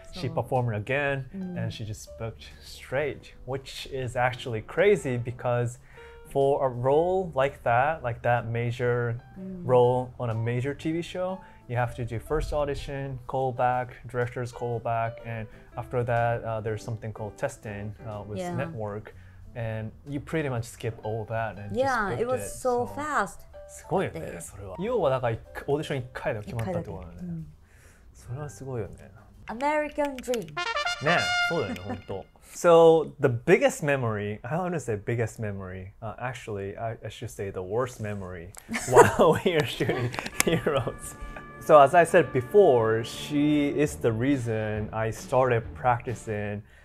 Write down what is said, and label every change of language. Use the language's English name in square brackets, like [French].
[English] She performed again, and she just spoke straight, which is actually crazy because for a role like that major role on a major TV show, you have to do first audition, callback, director's callback, and after that, there's something called testing with network. And you pretty much skip all that and just booked it. So fast. [Japanese] すごいよね、それは。要はだからオーディション1回で決まったってことだね。それはすごいよね。 [English] American dream. [Japanese] ね、そうだよね、本当。 [English] So the biggest memory, I want to say biggest memory, actually I should say the worst memory while we are shooting Heroes. So as I said before, she is the reason I started practicing